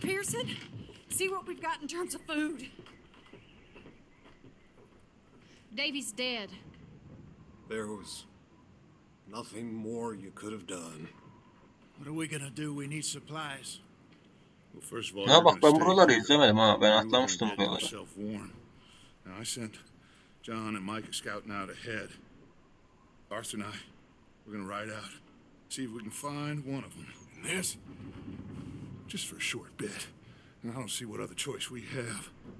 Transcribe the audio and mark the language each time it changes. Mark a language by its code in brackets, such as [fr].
[en] Pearson, see what we've got in terms of food. Davy's dead. There was nothing more you could have done. What are we gonna do? We need supplies. Well, first of all, [tr] bak ben buraları izlemedim ha. Ben atlamıştım buraları. [en] I sent John and Mike scouting out ahead. Arthur and I. We're gonna ride out, see if we can find one of them. And this, just for a short bit. And I don't see what other choice we have.